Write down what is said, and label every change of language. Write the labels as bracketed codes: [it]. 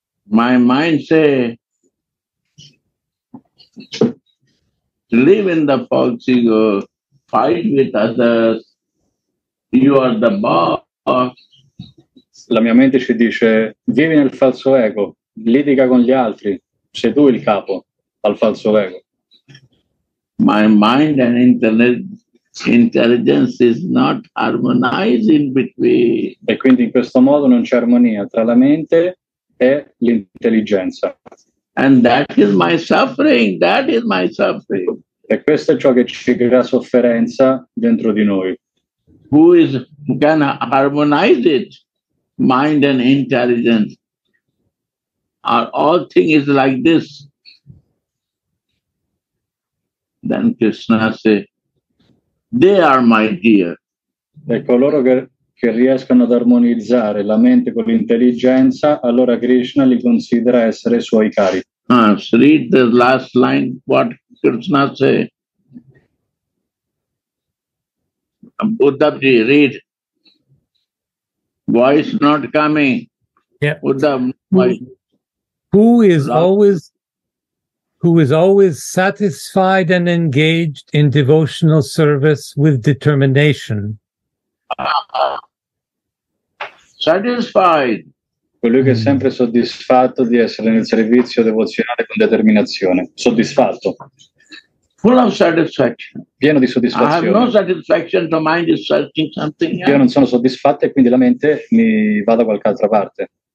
[en] My mind say live in the false ego, fight with others, you are the boss. [it] La mia mente ci dice vivi nel falso ego, litiga con gli altri, sei tu il capo al falso ego. [en] My mind and intelligence is not harmonized in between. [it] E quindi in questo modo non c'è armonia tra la mente e l'intelligenza. [en] And that is my suffering, that is my suffering. [it] E questo è ciò che ci crea sofferenza dentro di noi. [en] Who is gonna harmonize it? Mind and intelligence. Are all things is like this. Then Krishna say, they are my dear. [it] E coloro che riescono ad armonizzare la mente con l'intelligenza, allora Krishna li considera essere suoi cari. [en] Read the last line, what Krishna say. Uddhavji, read. Voice not coming. Yeah. Uddhavji. Who is always satisfied and engaged in devotional service with determination. Satisfied. [it] Colui che è sempre soddisfatto di essere nel servizio devozionale con determinazione. Soddisfatto. [en] Full of satisfaction. [it] Pieno di soddisfazione. [en] I have no satisfaction, the mind is searching something else. [it] Io non sono soddisfatto e quindi la mente mi va da qualche altra parte.